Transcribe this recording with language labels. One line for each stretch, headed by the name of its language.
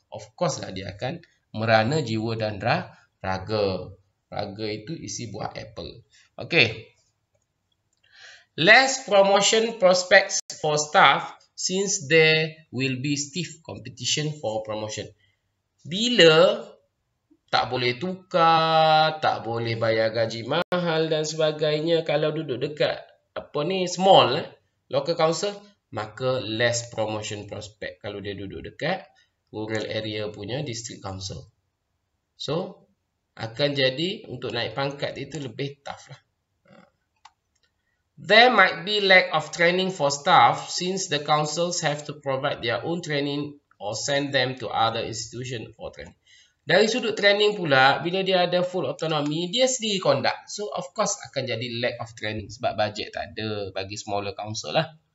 Malay: Of course lah, dia akan merana jiwa dan raga. Raga itu isi buah apple. Okay.
English: Less promotion prospects for staff since there will be stiff competition for promotion.
Malay: Bila tak boleh tukar, tak boleh bayar gaji mahal dan sebagainya, kalau duduk dekat apa ni,
English: small, local council, maka less promotion prospect
Malay: kalau dia duduk dekat
English: rural area punya district council.
Malay: So, akan jadi untuk naik pangkat itu lebih tough lah.
English: There might be lack of training for staff since the councils have to provide their own training or send them to other institution for training.
Malay: Dari sudut training pula, bila dia ada
English: full autonomy,
Malay: dia sendiri conduct. So, of course, akan jadi
English: lack of training
Malay: sebab bajet tak ada bagi smaller council lah.